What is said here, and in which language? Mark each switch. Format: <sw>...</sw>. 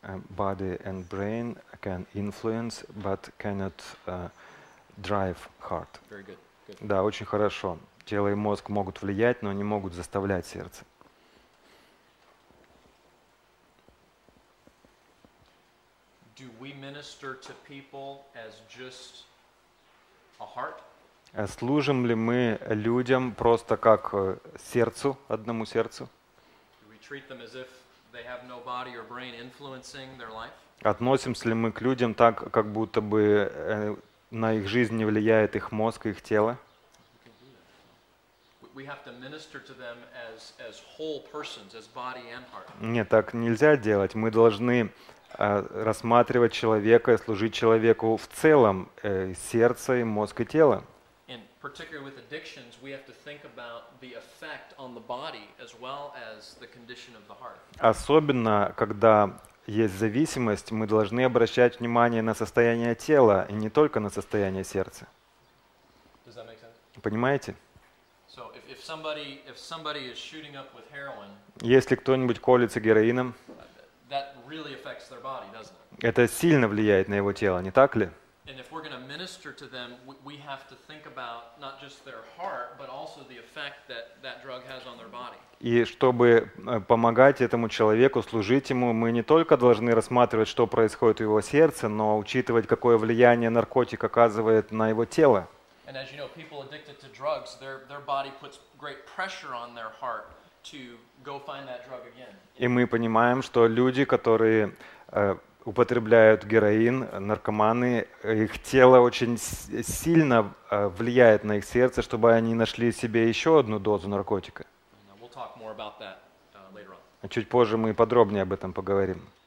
<en>Body and brain can influence, but cannot drive heart. Very good. Good.</en> <ru>Да, очень хорошо. Тело и мозг могут влиять, но не могут заставлять сердце.</ru> <en>Do we minister to people as just a heart?</en> <ru>Служим ли мы людям просто как сердцу, одному сердцу?</ru> <en>Do we treat them as if they have no body or brain influencing their life?</en> <ru>Относимся ли мы к людям так, как будто бы на их жизнь не влияет их мозг, их тело?</ru> <en>We have to minister to them as whole persons, as body and heart.</en> <ru>Нет, так нельзя делать. Мы должны рассматривать человека, служить человеку в целом, сердце, мозг и тело.</ru> <en>And particularly with addictions, we have to think about the effect on the body as well as the condition of the heart.</en> <ru>Особенно, когда есть зависимость, мы должны обращать внимание на состояние тела и не только на состояние сердца.</ru> <en>Does that make sense?</en> <ru>Понимаете?</ru> <en>So if somebody is shooting up with heroin,</en> <ru>если кто-нибудь колется героином,</ru> <en>that really affects their body, doesn't it?</en> <ru>Это сильно влияет на его тело, не так ли?</ru> <en>And if we're going to minister to them, we have to think about not just their heart, but also the effect that that drug has on their body.</en> <ru>И чтобы помогать этому человеку, служить ему, мы не только должны рассматривать, что происходит в его сердце, но учитывать, какое влияние наркотик оказывает на его тело.</ru> <en>And as you know, people addicted to drugs, their body puts great pressure on their heart to go find that drug again.</en> <ru>И мы понимаем, что люди, которые употребляют героин, наркоманы, их тело очень сильно влияет на их сердце, чтобы они нашли себе еще одну дозу наркотика.</ru> <en>We'll talk more about that, later on.</en> <ru>Чуть позже мы подробнее об этом поговорим.</ru>